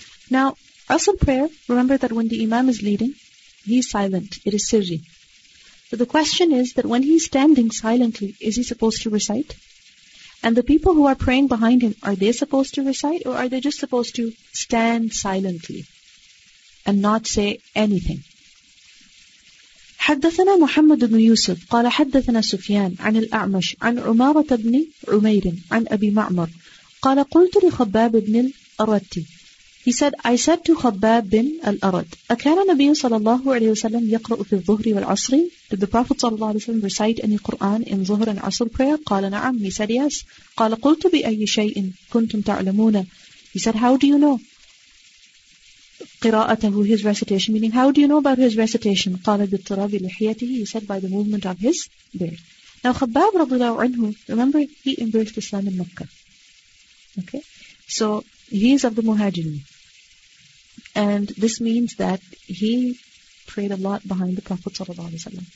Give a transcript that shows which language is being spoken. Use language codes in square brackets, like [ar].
[en] Now, asr prayer, remember that when the imam is leading, he's silent. It is sirri. So the question is that when he's standing silently, is he supposed to recite? And the people who are praying behind him, are they supposed to recite or are they just supposed to stand silently and not say anything? [ar] حدثنا محمد بن يوسف قال حدثنا سفيان عن الأعمش عن عمارة بن عمير عن أبي معمر قال قلت لخباب بن الأرد. [en] He said, I said to [ar] خباب بن الأرد, أكان نبي صلى الله عليه وسلم يقرأ في الظهر والعصر? [en] Did the Prophet صلى الله عليه وسلم recite any Quran in ظهر and عصر prayer? [ar] قال نعم. [en] He said yes. [ar] قال قلت بأي شيء كنتم تعلمون. [en] He said, how do you know? قراءته, his recitation, meaning how do you know about his recitation? [ar] قال بالطراب لحيته, [en] he said by the movement of his beard. Now خباب رضي الله عنه, remember he embraced Islam in Mecca. Okay, so he is of the Muhajirin, and this means that he prayed a lot behind the Prophet sallallahu alaihi wasallam.